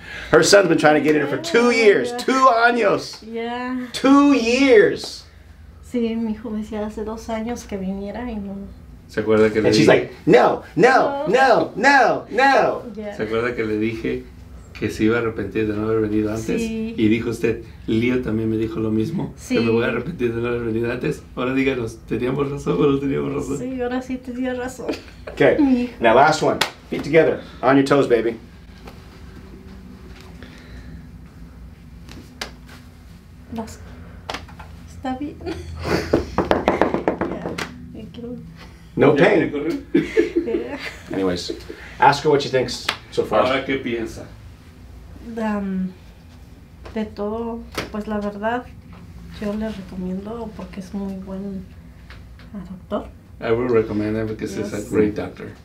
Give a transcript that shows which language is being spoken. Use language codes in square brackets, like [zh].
[en] Her son's been trying to get in her for 2 years. [es] Yeah. 2 años. Yeah. [en] 2 years. [es] Sí, mi hijo me decía hace 2 años que viniera y no. ¿Se acuerda que le [en] dije? And she's like, no. Yeah. [es] ¿Se acuerda que le dije? Que se iba a arrepentir de no haber venido antes. Sí. Y dijo usted, Leo también me dijo lo mismo. Sí. Que me voy a arrepentir de no haber venido antes. Ahora díganos, ¿teníamos razón o no teníamos razón? Sí, ahora sí tenía razón. [en] Okay, now last one. Feet together, on your toes, baby. [es] Vas. Está bien. Yeah. [en] No pain. Yeah. Anyways, ask her what she thinks so far. [es] Ahora, ¿qué piensa? De todo, pues la verdad, yo le recomiendo porque es muy buen doctor. [en] I will recommend him because he's a great doctor.